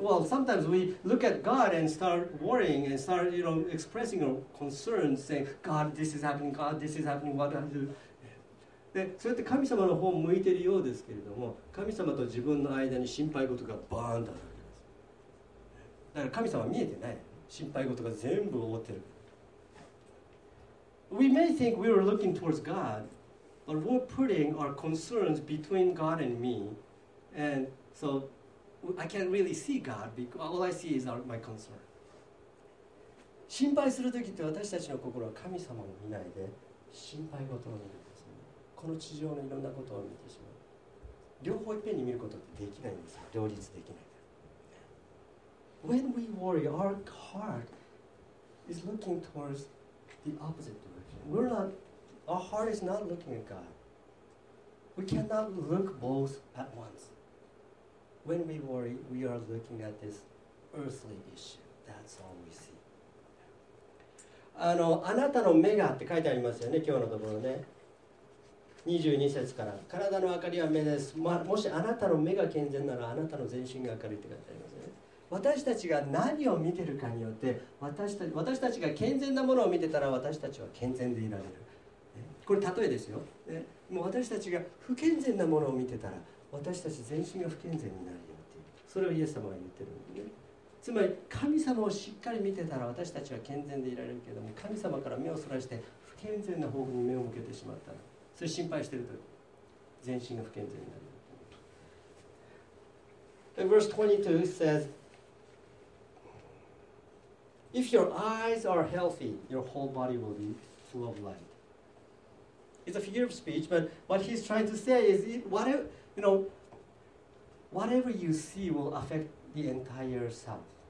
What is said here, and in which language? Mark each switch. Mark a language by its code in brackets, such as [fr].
[en] Well, sometimes we look at God and start worrying and start, you know, expressing our concerns, saying, God, this is happening, God, this is happening, what do I do? [ja] でそうやって神様の方を向いているようですけれども、神様と自分の間に心配事がバーンとあるわけです。だから神様は見えてない。心配事が全部覆ってる。 [en] We may think we are looking towards God, but we're putting our concerns between God and me, and so I can't really see God because all I see is my concern. [ja] 心配するときって私たちの心は神様を見ないで心配事を見る。この地上のいろんなことを見てしまう。両方いっぺんに見ることってできないんですよ。両立できない。 [en] When we worry, our heart is looking towards the opposite direction. We're not, our heart is not looking at God. We cannot look both at once. When we worry, we are looking at this earthly issue. That's all we see. [ja] あなたの目がって書いてありますよね、今日のところね。 22節から体の明かりは目です、まあ、もしあなたの目が健全ならあなたの全身が明るいって書いてありますね。私たちが何を見てるかによって私たちが健全なものを見てたら私たちは健全でいられる。これ例えですよ。もう私たちが不健全なものを見てたら私たち全身が不健全になるよっていう。それをイエス様が言ってるんですね。つまり神様をしっかり見てたら私たちは健全でいられるけども、神様から目をそらして不健全な方向に目を向けてしまったら、それ心配してると全身が不健全になる。 [en] Verse 22 says, If your eyes are healthy, your whole body will be full of light. It's a figure of speech, but what he's trying to say is, whatever you see will affect the entire self.